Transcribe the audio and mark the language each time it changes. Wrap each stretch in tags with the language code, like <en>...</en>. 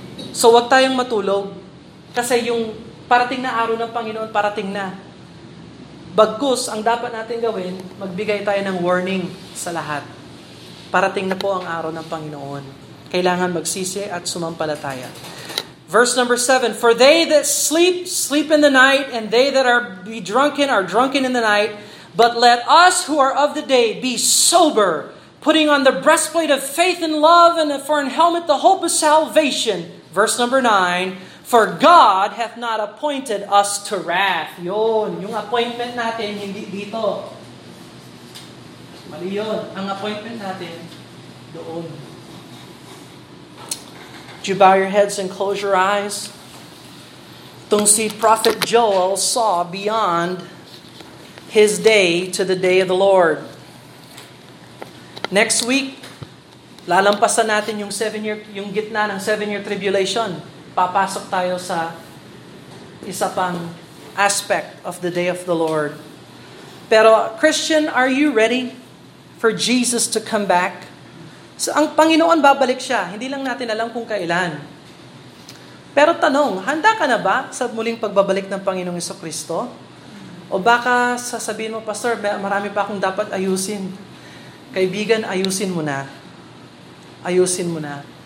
<tl>So huwag tayong matulog kasi yung parating na araw ng Panginoon, parating na. Bagkus, ang dapat natin gawin, magbigay tayo ng warning sa lahat. Parating na po ang araw ng Panginoon. Kailangan magsisi at sumampalataya.</tl> <en>Verse number 7, "For they that sleep, sleep in the night, and they that be drunken are drunken in the night. But let us who are of the day be sober, putting on the breastplate of faith and love, and for an helmet the hope of salvation." Verse number 9, "For God hath not appointed us to wrath."</en> <tl>Yun, yung appointment natin, hindi dito. Mali yun. Ang appointment natin, doon.</tl> <en>Do you bow your heads and close your eyes?</en> <tl>Itong si</tl> <en>Prophet Joel saw beyond his day to the day of the Lord.</en> <tl>Next week, lalampasan natin yung seven-year, yung gitna ng seven-year tribulation. Papasok tayo sa isa pang</tl> <en>aspect of the day of the Lord. Pero Christian, are you ready for Jesus to come back?</en> <tl>So, ang Panginoon, babalik siya. Hindi lang natin alam kung kailan. Pero tanong, handa ka na ba sa muling pagbabalik ng Panginoong Jesucristo? O baka sasabihin mo, Pastor, marami pa akong dapat ayusin. Kaibigan, ayusin mo na. Ayusin mo na.</tl>